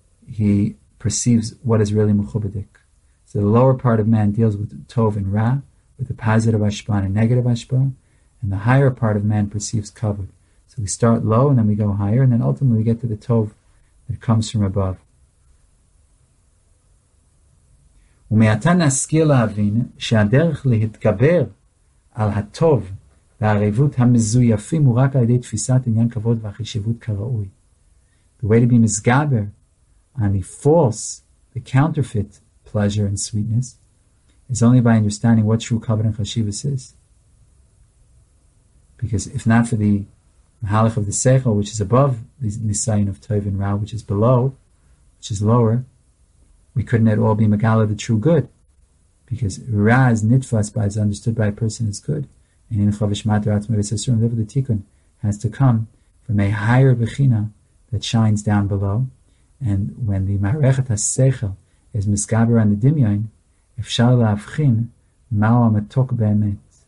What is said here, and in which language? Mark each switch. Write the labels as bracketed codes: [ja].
[en] he perceives what is really mechubadik. So the lower part of man deals with tov and ra, with the positive ashpa and a negative ashpa, and the higher part of man perceives kavod. So we start low and then we go higher, and then ultimately we get to the tov that comes from above. [he] ומעתה נשכיל להבין שהדרך להתגבר על הטוב והעריבות המזויפים הוא רק על ידי תפיסת עניין כבוד והחשיבות כראוי. [en] The way to be מסגבר on the false, the counterfeit pleasure and sweetness is only by understanding what true כבוד and חשיבות is. Because if not for the מהלך of the seichel, which is above the nisayon of tov and ra, which is below, which is lower, we couldn't at all be megala the true good, because ra is nitfas by is understood by a person as good, and in chavish matarat mevisasurim level the tikkun has to come from a higher bechina that shines down below, and when the marechet haseichel is misgaber on the dimyon, [he] efshal laavchin ma'o ametok beemet.